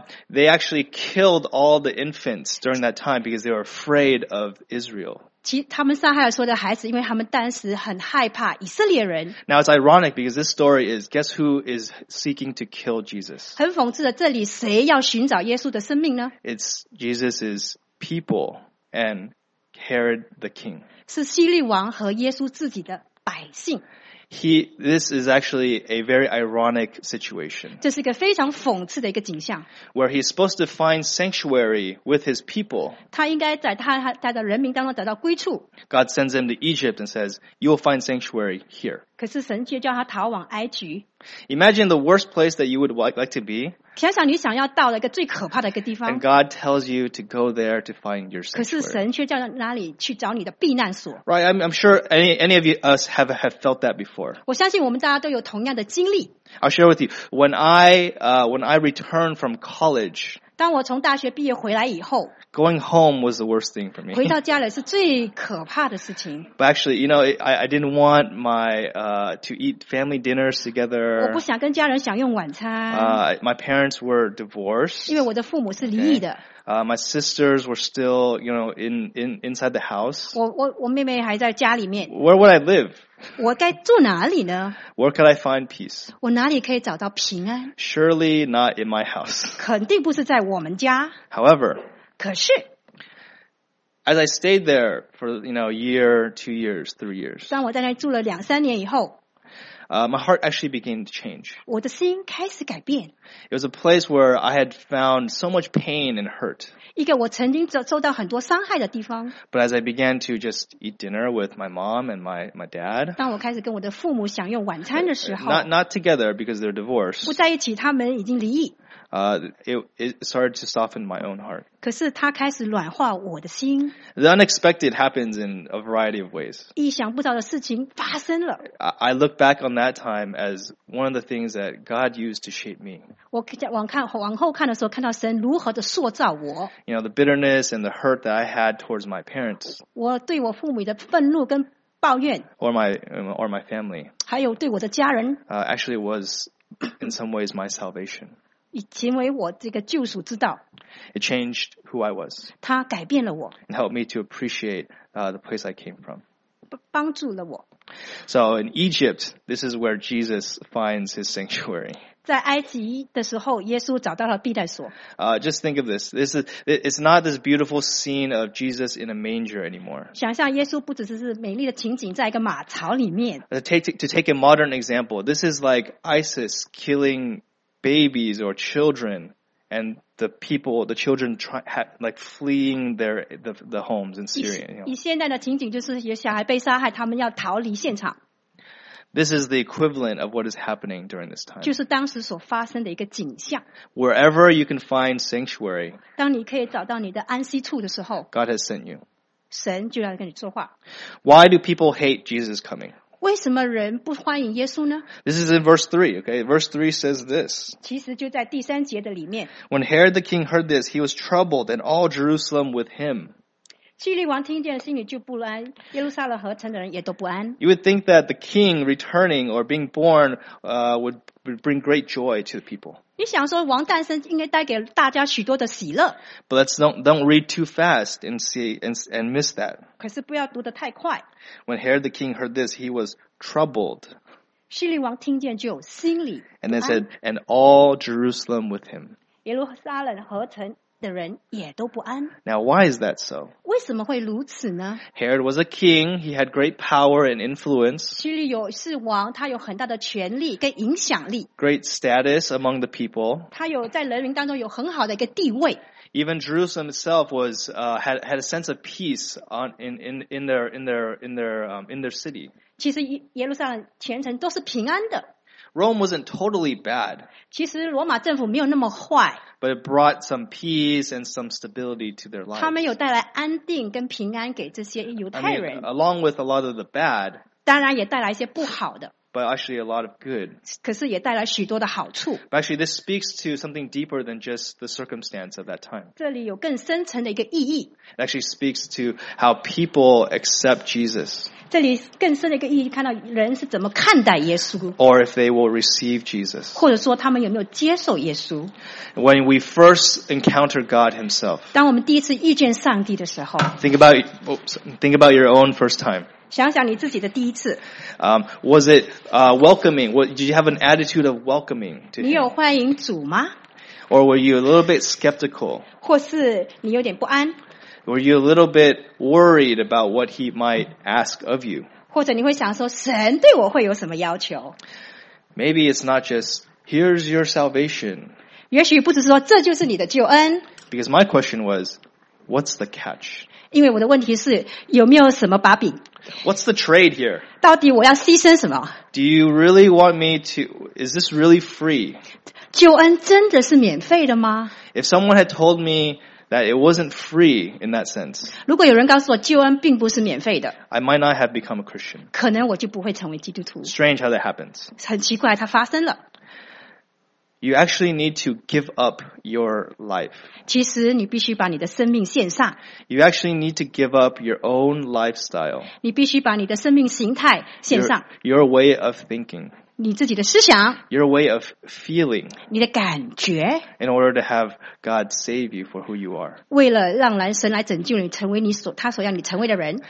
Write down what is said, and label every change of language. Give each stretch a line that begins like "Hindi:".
English: they actually killed all the infants during that time because they were afraid of Israel.
Chinese: 他们杀害了所有的孩子，因为他们当时很害怕以色列人。
English: Now it's ironic because this story is, guess who is seeking to kill Jesus?
Chinese: 很讽刺的，这里谁要寻找耶稣的生命呢？
English: It's Jesus's people and Herod the king.
Chinese: 是希律王和耶稣自己的百姓。
English: This is actually a very ironic situation.
Chinese: 这是一个非常讽刺的一个景象。
English: Where he's supposed to find sanctuary with his people.
Chinese: 他应该在他的人民当中找到归处。
English: God sends him to Egypt and says, you will find sanctuary here.
Chinese: 可是神却叫他逃往埃及。
English: Imagine the worst place that you would like to be.
Chinese: 想想你想要到了一个最可怕的一个地方。
English: And God tells you to go there to find your sanctuary.
Chinese: 可是神却叫哪里去找你的避难所。
English: Right, I'm sure any of you, us have felt that before.
Chinese: 我相信我们大家都有同样的经历。
English: I'll share with you. When I returned from college,
Chinese: 当我从大学毕业回来以后
English: going home was the worst thing for me.
Chinese: 回到家里是最可怕的事情。
English: But actually, you know, I didn't want my, to eat family dinners together.
Chinese: 我不想跟家人享用晚餐。
English: My parents were divorced.
Chinese: 因为我的父母是离异的。
English: Okay. My sisters were still, you know, inside the house.
Chinese: 我妹妹还在家里面。
English: Where would I live?
Chinese: 我该住哪里呢？
English: Where could I find peace?
Chinese: 我哪里可以找到平安？
English: Surely not in my house.
Chinese: 肯定不是在我们家。
English: However,
Chinese: 可是
English: as I stayed there for, you know, a year, 2 years, 3 years.
Chinese: 当我在那住了两三年以后，
English: My heart actually began to change.
Chinese: 我的心开始改变。
English: It was a place where I had found so much pain and hurt.
Chinese: 一个我曾经受到很多伤害的地方。
English: But as I began to just eat dinner with my mom and my dad,
Chinese: 当我开始跟我的父母享用晚餐的时候
English: not together because they're divorced,
Chinese: 不在一起，他们已经离异。
English: It started to soften my own heart.
Chinese: 可是他开始软化我的心。
English: The unexpected happens in a variety of ways.
Chinese: 意想不到的事情发生了。
English: I look back on that time as one of the things that God used to shape me.
Chinese: 我往后看的时候，看到神如何的塑造我。
English: You know, the bitterness and the hurt that I had towards my parents.
Chinese: 我对我父母的愤怒跟抱怨。
English: Or my family.
Chinese: 还有对我的家人。
English: Actually, it was in some ways my salvation.
Chinese: 以成为我这个救赎之道。
English: It changed who I was.
Chinese: 它改变了我。
English: It helped me to appreciate, the place I came from.
Chinese: 帮助了我。
English: So in Egypt, this is where Jesus finds his sanctuary.
Chinese: 在埃及的时候，耶稣找到了避难所。
English: Just think of this. It's not this beautiful scene of Jesus in a manger anymore.
Chinese: 想象耶稣不只是美丽的情景，在一个马槽里面。
English: To take a modern example, this is like ISIS killing babies or children and the children fleeing the homes in Syria.
Chinese: 以现在的情景就是有小孩被杀害，他们要逃离现场。
English: This is the equivalent of what is happening during this time.
Chinese: 就是当时所发生的一个景象。
English: Wherever you can find sanctuary,
Chinese: 当你可以找到你的安息处的时候，
English: God has sent you.
Chinese: 神就要跟你说话。
English: Why do people hate Jesus coming?
Chinese: 为什么人不欢迎耶稣呢？
English: This is in verse 3, okay? Verse 3 says this.
Chinese: 其实就在第三节的里面。
English: When Herod the king heard this, he was troubled and all Jerusalem with him.
Chinese: 叙利王听见心里就不安，耶路撒冷和城的人也都不安。
English: You would think that the king returning or being born, would bring great joy to the people.
Chinese: 你想说王诞生应该带给大家许多的喜乐。
English: But let's don't read too fast and see and miss that.
Chinese: 可是不要读得太快。
English: When Herod the king heard this, he was troubled.
Chinese: 叙利王听见就心里不安。
English: And then said, and all Jerusalem with him.
Chinese: 耶路撒冷和城。
English: Now, why is that so?
Chinese: 为什么会如此呢?
English: Herod was a king. He had great power and influence.
Chinese: 叙利有是王，他有很大的权力跟影响力。
English: Great status among the people.
Chinese: 他有在人民当中有很好的一个地位。
English: Even Jerusalem itself was had a sense of peace on in their city.
Chinese: 其实耶路撒冷全城都是平安的。
English: Rome wasn't totally bad.
Chinese: 其实罗马政府没有那么坏。
English: But it brought some peace and some stability to their lives.
Chinese: 他们有带来安定跟平安给这些犹太人。
English: I mean, along with a lot of the bad.
Chinese: 当然也带来一些不好的。
English: But actually a lot of good.
Chinese: 可是也带来许多的好处。
English: But actually this speaks to something deeper than just the circumstance of that time.
Chinese: 这里有更深层的一个意义。
English: It actually speaks to how people accept Jesus.
Chinese: 这里更深的一个意义看到人是怎么看待耶稣。
English: Or if they will receive Jesus.
Chinese: 或者说他们有没有接受耶稣。
English: When we first encounter God himself.
Chinese: 当我们第一次遇见上帝的时候。
English: Think about your own first time.
Chinese: 想想你自己的第一次。
English: Was it welcoming? Did you have an attitude of welcoming to him?
Chinese: 你有欢迎主吗?
English: Or were you a little bit skeptical?
Chinese: 或是你有点不安?
English: Were you a little bit worried about what he might ask of you?
Chinese: 或者你会想说神对我会有什么要求?
English: Maybe it's not just, here's your salvation.
Chinese: 也许不只是说这就是你的救恩。
English: Because my question was, what's the catch?
Chinese: 因为我的问题是有没有什么把柄
English: What's the trade here?
Chinese: 到底我要牺牲什么
English: Do you really want me to, is this really free?
Chinese: 救恩真的是免费的吗
English: If someone had told me that it wasn't free in that sense,
Chinese: 如果有人告诉我救恩并不是免费的
English: I might not have become a Christian.
Chinese: 可能我就不会成为基督徒
English: Strange how that happens.
Chinese: 很奇怪它发生了
English: You actually need to give up your life.
Chinese: 其实你必须把你的生命献上。
English: You actually need to give up your own lifestyle.
Chinese: 你必须把你的生命形态献上。
English: Your way of thinking.
Chinese: 你自己的思想。
English: Your way of feeling.
Chinese: 你的感觉。
English: In order to have God save you for who you are.
Chinese: 为了让神来拯救你，成为他所要你成为的人。